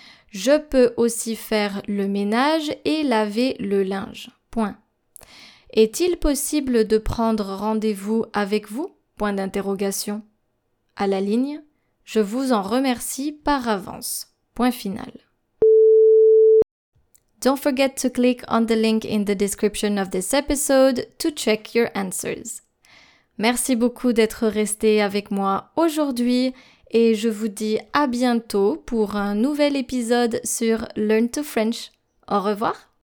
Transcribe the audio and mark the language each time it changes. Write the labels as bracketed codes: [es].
[fr] Je peux aussi faire le ménage et laver le linge. Point. Est-il possible de prendre rendez-vous avec vous? Point d'interrogation. À la ligne, je vous en remercie par avance. Point final. [en] Don't forget to click on the link in the description of this episode to check your answers. [fr] Merci beaucoup d'être resté avec moi aujourd'hui et je vous dis à bientôt pour un nouvel épisode sur Learn to French. Au revoir!